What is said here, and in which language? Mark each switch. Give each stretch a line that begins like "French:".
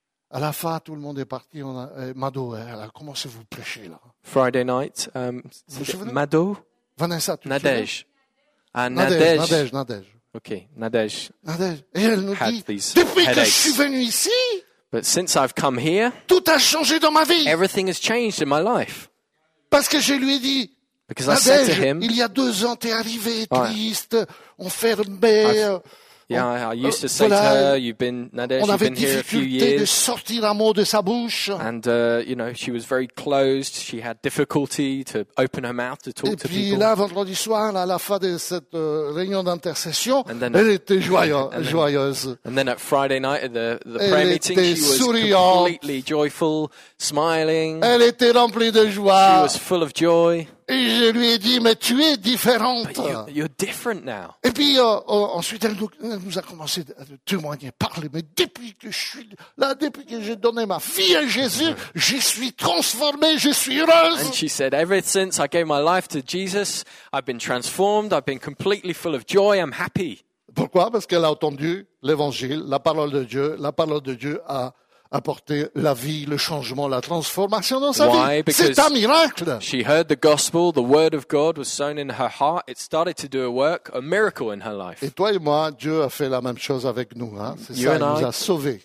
French: À la fin, tout le monde est parti. Mado, elle a commencé à vous prêcher là.
English: Friday night, Mado, Vanessa, Nadej. Nadej. Ok, Nadej. Nadej.
French: Et elle nous dit, depuis que je suis venu ici,
English: but since I've come here,
French: tout a changé dans ma vie.
English: Everything has changed in my life.
French: Parce que je lui ai dit,
English: because Nadej, I said to him,
French: il y a deux ans, t'es arrivé triste, enfermé.
English: Yeah, I used to say to her, "You've been Nadej. You've been here a few years."
French: De sortir un mot de sa bouche.
English: And she was very closed. She had difficulty to open her mouth to talk
French: et
English: to
French: puis
English: people.
French: Là, vendredi soir, à la fin de cette réunion d'intercession, elle était joyeuse.
English: And then at Friday night at the prayer meeting, she was
French: souriante.
English: Completely joyful, smiling.
French: Elle était remplie de joie.
English: She was full of joy.
French: Et je lui ai dit, mais tu es différente.
English: But you're different now.
French: Et puis ensuite, elle nous a commencé à témoigner, parler. Mais depuis que je suis là, depuis que j'ai donné ma vie à Jésus, je suis transformée, je suis heureuse.
English: And she said, ever since I gave my life to Jesus, I've been transformed, I've been completely full of joy, I'm happy.
French: Pourquoi? Parce qu'elle a entendu l'évangile, la parole de Dieu. La parole de Dieu a apporter la vie, le changement, la transformation dans sa vie. Because c'est un miracle.
English: She heard the gospel, the word of God was sown in her heart. It started to do a work, a miracle in her life.
French: Et toi et moi, Dieu a fait la même chose avec nous, hein. C'est you ça, il nous a sauvés.